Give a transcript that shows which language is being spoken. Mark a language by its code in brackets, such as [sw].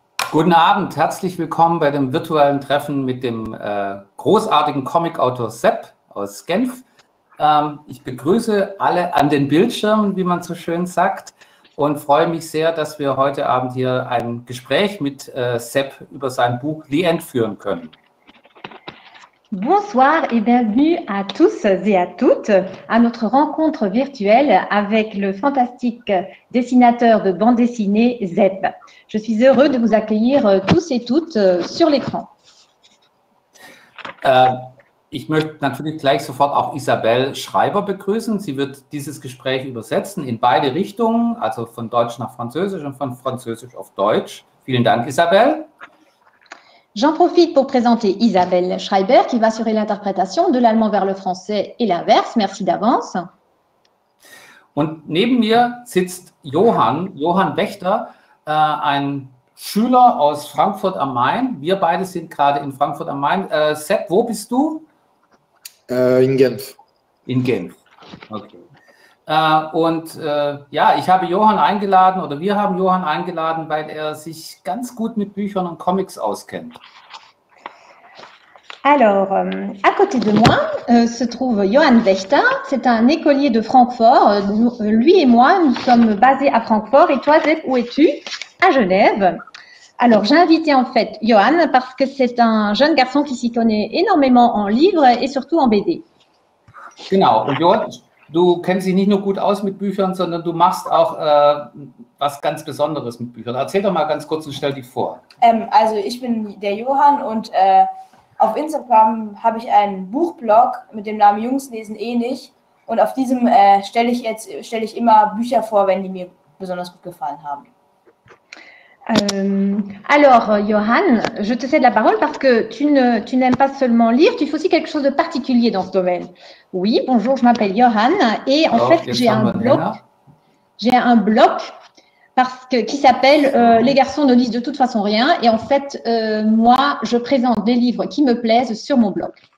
[de] Guten Abend, herzlich willkommen bei dem virtuellen Treffen mit dem großartigen Comicautor Sepp aus Genf. Ich begrüße alle an den Bildschirmen, wie man so schön sagt, und freue mich sehr, dass wir heute Abend hier ein Gespräch mit Sepp über sein Buch The End führen können. [fr] Bonsoir et bienvenue à tous et à toutes à notre rencontre virtuelle avec le fantastique dessinateur de bande dessinée Sepp. Je suis heureux de vous accueillir tous et toutes sur l'écran. [de] Ich möchte natürlich gleich sofort auch Isabelle Schreiber begrüßen. Sie wird dieses Gespräch übersetzen in beide Richtungen, also von Deutsch nach Französisch und von Französisch auf Deutsch. Vielen Dank, Isabelle. [fr] J'en profite pour présenter Isabelle Schreiber, qui va assurer l'interprétation de l'allemand vers le français et l'inverse. Merci d'avance. [de] Und neben mir sitzt Johann Wächter, ein Schüler aus Frankfurt am Main. Wir beide sind gerade in Frankfurt am Main. Sepp, wo bist du? In Genf. In Genf, okay. Und ja, ich habe Johann eingeladen, oder wir haben Johann eingeladen, weil er sich ganz gut mit Büchern und Comics auskennt. [fr] Alors, à côté de moi se trouve Johann Wächter. C'est un écolier de Francfort. Lui et moi, nous sommes basés à Francfort. Et toi, Sepp, où es-tu? À Genève. Alors, j'ai invité en fait Johann parce que c'est un jeune garçon qui s'y connaît énormément en livres et surtout en BD. [de] Genau. Und Johann, du kennst dich nicht nur gut aus mit Büchern, sondern du machst auch was ganz Besonderes mit Büchern. Erzähl doch mal ganz kurz und stell dich vor. Also ich bin der Johann und auf Instagram habe ich einen Buchblog mit dem Namen Jungs lesen eh nicht. Und auf diesem stelle ich immer Bücher vor, wenn die mir besonders gut gefallen haben. [fr] Alors Johann, je te cède la parole parce que tu n'aimes pas seulement lire, tu fais aussi quelque chose de particulier dans ce domaine. Oui, bonjour, je m'appelle Johann et en fait j'ai un blog parce que qui s'appelle Les garçons ne lisent de toute façon rien et en fait moi je présente des livres qui me plaisent sur mon blog.